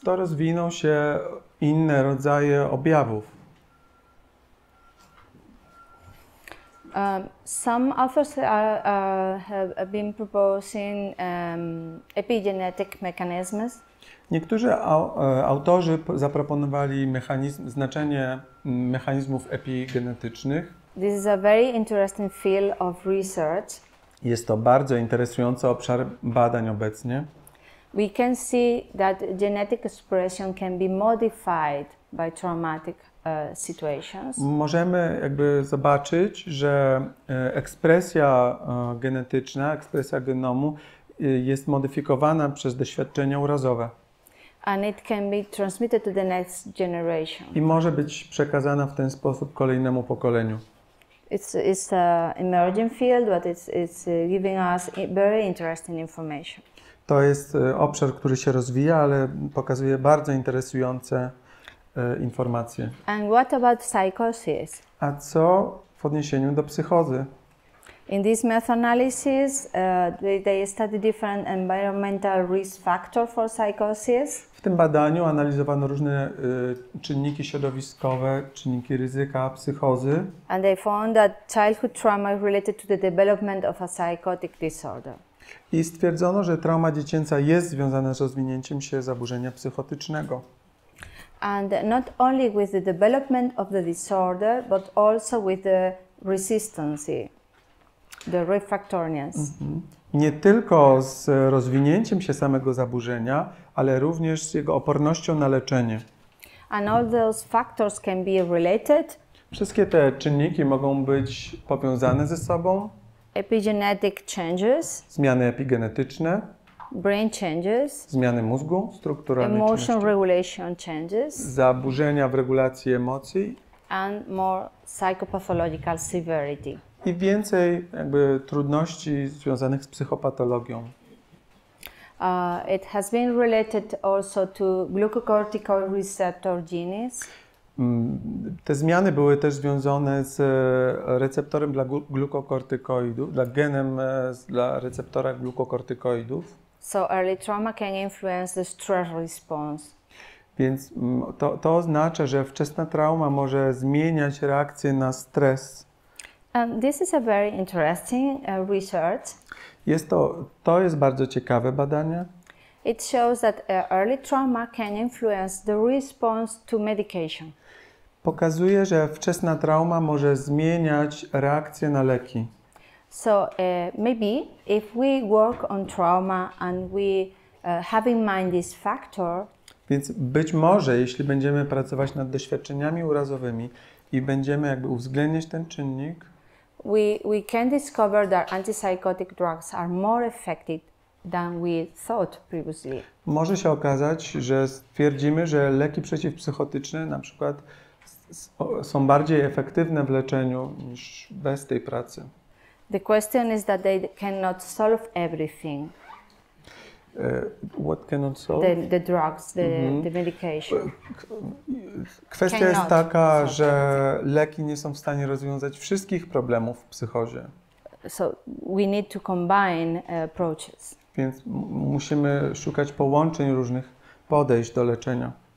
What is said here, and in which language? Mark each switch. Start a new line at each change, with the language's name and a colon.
Polish: To rozwiną się inne rodzaje objawów.
English: Some authors have been proposing epigenetic mechanisms.
Polish: Niektórzy autorzy zaproponowali znaczenie mechanizmów epigenetycznych.
English: This is a very interesting field of research.
Polish: Jest to bardzo interesujący obszar badań obecnie.
English: We can see that genetic expression can be modified by traumatic situations.
Polish: Możemy jakby zobaczyć, że ekspresja genetyczna, ekspresja genomu jest modyfikowana przez doświadczenia urazowe.
English: And it can be transmitted to the next generation.
Polish: I może być przekazana w ten sposób kolejnemu pokoleniu.
English: It's an emerging field, but it's giving us very interesting information.
Polish: To jest obszar, który się rozwija, ale pokazuje bardzo interesujące informacje.
English: And what about psychosis?
Polish: A co w odniesieniu do psychozy?
English: In this meta-analysis, they study different environmental risk factors for psychosis.
Polish: W tym badaniu analizowano różne czynniki środowiskowe, czynniki ryzyka psychozy.
English: And they found that childhood trauma is related to the development of a psychotic disorder.
Polish: I stwierdzono, że trauma dziecięca jest związana z rozwinięciem się zaburzenia psychotycznego.
English: And not only with the development of the disorder, but also with the resistance. The refractoriness. Mm-hmm.
Polish: Nie tylko z rozwinięciem się samego zaburzenia, ale również z jego opornością na leczenie.
English: And all those factors can be related.
Polish: Wszystkie te czynniki mogą być powiązane ze sobą.
English: Epigenetic changes.
Polish: Zmiany epigenetyczne.
English: Brain changes.
Polish: Zmiany mózgu, struktura.
English: Emotion
Polish: części.
English: Regulation changes.
Polish: Zaburzenia w regulacji emocji.
English: And more psychopathological severity.
Polish: I więcej jakby trudności związanych z psychopatologią.
English: It has been related also to glucocorticoid receptor genes.
Polish: Te zmiany były też związane z receptorem dla glukokortykoidów, dla genem dla receptora glukokortykoidów.
English: So early trauma can influence the stress response.
Polish: Więc to oznacza, że wczesna trauma może zmieniać reakcję na stres.
English: This is a very interesting research.
Polish: To jest bardzo ciekawe badanie.
English: It shows that early trauma can influence the response to medication.
Polish: Pokazuje, że wczesna trauma może zmieniać reakcję na leki.
English: So maybe if we work on trauma and we have in mind this factor.
Polish: Więc być może, jeśli będziemy pracować nad doświadczeniami urazowymi i będziemy jakby uwzględniać ten czynnik.
English: We can discover that antipsychotic drugs are more effective than we thought previously.
Polish: Może się okazać, że stwierdzimy, że leki przeciwpsychotyczne na przykład są bardziej efektywne w leczeniu niż bez tej pracy.
English: The question is that they cannot solve everything. What cannot solve? The drugs, the medication.
Polish: Kwestia jest taka, że leki nie są w stanie rozwiązać wszystkich problemów w psychozie.
English: So we need to combine approaches.
Polish: Więc musimy szukać połączeń różnych podejść do leczenia.